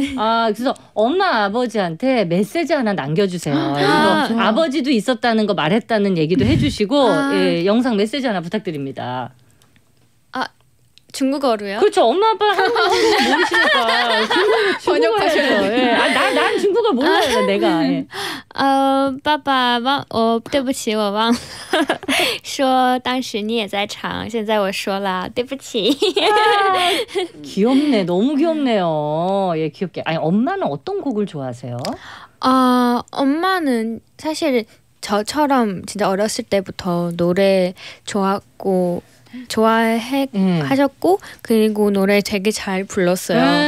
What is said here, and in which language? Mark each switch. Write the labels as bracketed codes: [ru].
[ko] 아 그래서 엄마 아버지한테 메시지 하나 남겨주세요. 아버지도 있었다는 거 말했다는 얘기도 해주시고 예, 영상 메시지 하나 부탁드립니다. 중국어로요? 그렇죠. 엄마 아빠 한국어 모르시니까 번역하셔야 돼. 네. 아, 난 중국어 몰라요. 내가. [zh] 아빠, 对不起, 我忘了说当时你也在场，现在我说了，对不起. [ko] 귀엽네. 너무 귀엽네요. 예, 귀엽게. 아니, 엄마는 어떤 곡을 좋아하세요? 아, 엄마는 사실 저처럼 진짜 어렸을 때부터 노래 좋았고. 좋아해 하셨고 그리고 노래 되게 잘 불렀어요.